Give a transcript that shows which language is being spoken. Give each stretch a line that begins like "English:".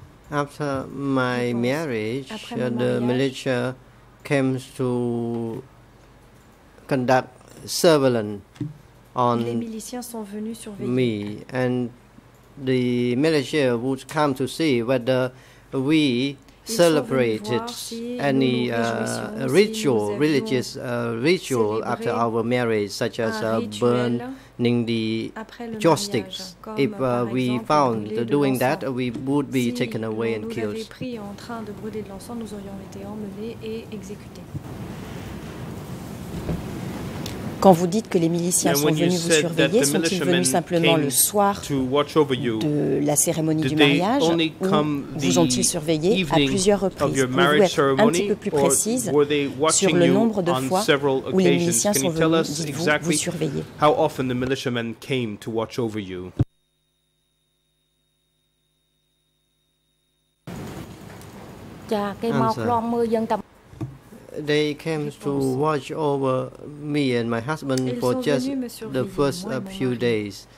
English: After my marriage, the militia came to conduct surveillance on me, and the militia would come to see whether we celebrated any religious ritual after our marriage, such as burning the joysticks. If we found doing that, we would be taken away and killed.
French: Si nous l'avions pris en train de brûler de l'encens, nous aurions été emmenés et exécutés. Quand vous dites que les miliciens sont venus vous surveiller, sont-ils venus simplement le soir de la cérémonie du mariage ou vous ont-ils surveillé à plusieurs reprises? Pouvez-vous être un petit peu plus précise sur le nombre de fois où les miliciens sont venus, dites-vous, vous surveiller?
English: How often the militiamen came to watch over you? They came to watch over me and my husband for just the first few days.